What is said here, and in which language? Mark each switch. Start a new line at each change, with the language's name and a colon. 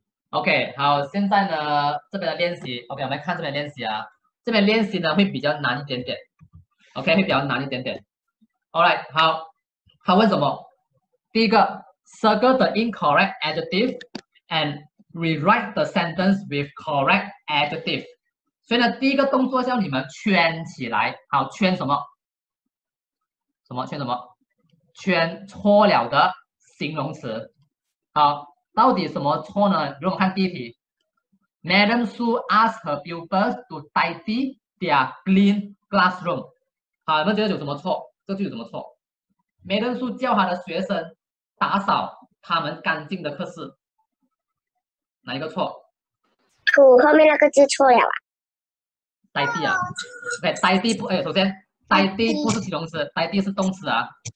Chinese: OK， 好，现在呢这边的练习 ，OK， 我们来看这边练习啊，这边练习呢会比较难一点点 ，OK， 会比较难一点点。 Alright， 好，他问什么？第一个 ，
English: circle the incorrect adjective and。 Rewrite the sentence with correct adjective.
Chinese: 所以呢，第一个动作叫你们圈起来。好，圈什么？什么圈什么？圈错了的形容词。好，到底什么错呢？比如我们看第一题
English: ，Madam Su asked her pupils to tidy their clean classroom.
Chinese: 好，你们觉得有什么错？这句有什么错 ？Madam Su 叫她的学生打扫他们干净的课室。哪一个错？土后面那个字错了啊。呆地啊，对，呆地不，哎，首先，呆地不是形容词，呆地是动词啊。